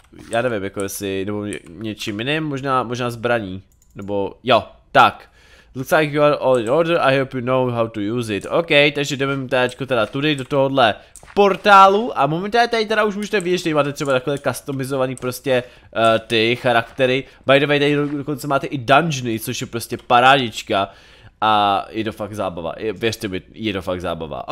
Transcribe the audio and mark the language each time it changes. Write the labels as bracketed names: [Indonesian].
[Czech] Já nevím, jako jestli, nebo něčím jiným, možná zbraní. Nebo, jo, tak. [English] Looks like you are all in order, I hope you know how to use it. [Czech] OK, takže jdeme teďko teda tudy do tohohle portálu a momentálně tady teda už můžete vidět, že máte třeba takhle customizovaný prostě ty charaktery. [English] By the way, [Czech] tady dokonce máte i dungeony, což je prostě parádička a je to fakt zábava, věřte mi, je to fakt zábava.